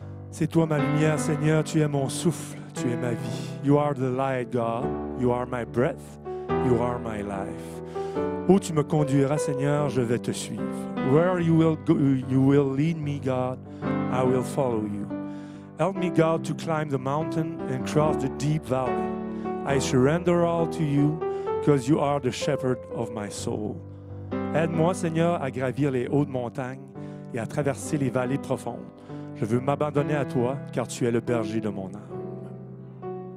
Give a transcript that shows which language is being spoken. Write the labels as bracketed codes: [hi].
[fr] C'est toi ma lumière, Seigneur, tu es mon souffle, tu es ma vie. [en] You are the light, God. You are my breath. You are my life. [fr] Où tu me conduiras, Seigneur, je vais te suivre. [en] Where you will go, you will lead me, God, I will follow you. Help me, God, to climb the mountain and cross the deep valley. I surrender all to you, because you are the shepherd of my soul. [fr] Aide-moi, Seigneur, à gravir les hautes montagnes et à traverser les vallées profondes. Je veux m'abandonner à toi, car tu es le berger de mon âme.